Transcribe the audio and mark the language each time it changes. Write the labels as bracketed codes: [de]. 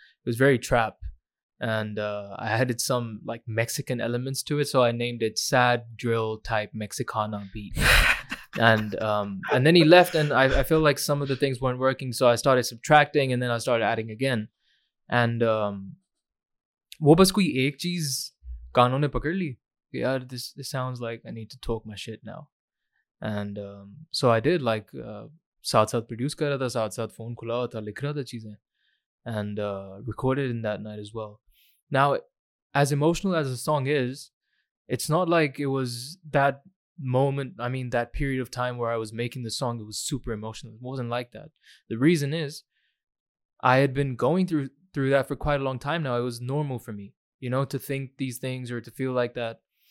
[en] It was very trap and I added some like Mexican elements to it. So I named it Sad Drill Type Mexicana Beat. and then he left and I feel like some of the things weren't working. So I started subtracting and then I started adding again. And [hi] wo bas koi ek cheez kaano ne pakad li ki yaar [en] this sounds like I need to talk my shit now. And so I did, like [hi] साथ साथ produce कर रहा था, साथ साथ phone खुला हुआ था, लिख रहा था चीज़े, [en] and recorded in that night as well. Now, as emotional as the song is, it's not like it was that moment, I mean that period of time where I was making the song, it was super emotional. It wasn't like that. The reason is I had been going through that for quite a long time now. It was normal for me, you know, to think these things or to feel like that.